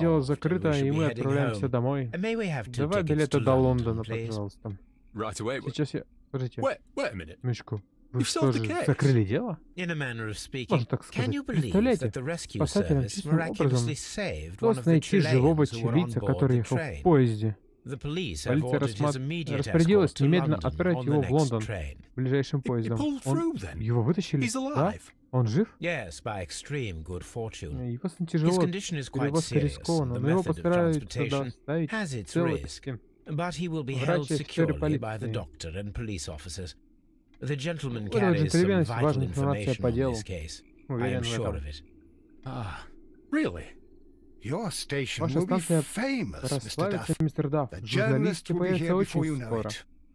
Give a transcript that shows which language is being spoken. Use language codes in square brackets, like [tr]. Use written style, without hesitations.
[ru] Дело закрыто, и мы отправляемся домой. Давай билеты до Лондона, пожалуйста. [en] Right away. [ru] Сейчас я... Подождите. [en] Wait a minute. [ru] Мишку. Вы что же, закрыли дело? [en] In a manner of speaking, can you believe that the rescue service miraculously saved one of the Chileans who were on board the train? The police have ordered his immediate escort to London on the next train. [ru] Ближайшим поездом. Он его вытащили, да? Он жив? [en] Yes, by extreme good fortune. [ru] Его очень тяжело, перевозка рискованна, но его постараются доставить целостки. [en] But he will be held securely by the doctor and police officers. The gentleman carries some vital information on this case. I am sure of it. Ah, really? Your station will be famous, Mr. Duff. The journalist will be here before you know it.